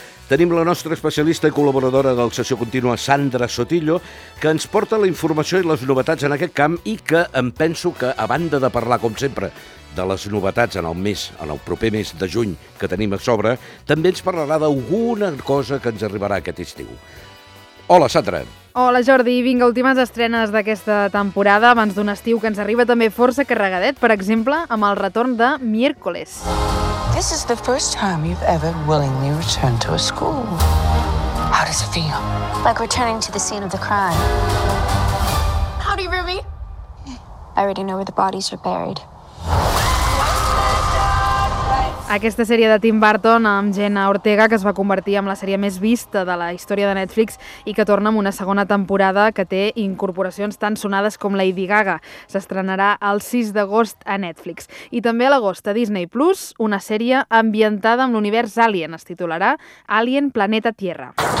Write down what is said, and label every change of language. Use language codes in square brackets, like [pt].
[ca] Tenim la nostra especialista i col·laboradora del Sessió Contínua, Sandra Sotillo, que ens porta la informació i les novetats en aquest camp i que em penso que, a banda de parlar, com sempre, de les novetats en el proper mes de juny que tenim a sobre, també ens parlarà d'alguna cosa que ens arribarà aquest estiu. Hola, Sandra. Hola, Jordi. Vinga, últimes estrenes d'aquesta temporada, abans d'un estiu que ens arriba també força carregadet, per exemple, amb el retorn de Miércoles. [en] This is the first time you've ever willingly returned to a school. How does it feel? Like returning to the scene of the crime. How do you remember me? I already know where the bodies are buried. [ca] Aquesta sèrie de Tim Burton amb Jenna Ortega, que es va convertir en la sèrie més vista de la història de Netflix i que torna amb una segona temporada que té incorporacions tan sonades com Lady Gaga, s'estrenarà el 6 d'agost a Netflix. I també a l'agost a Disney+, una sèrie ambientada amb l'univers Alien, es titularà Alien Planeta Tierra.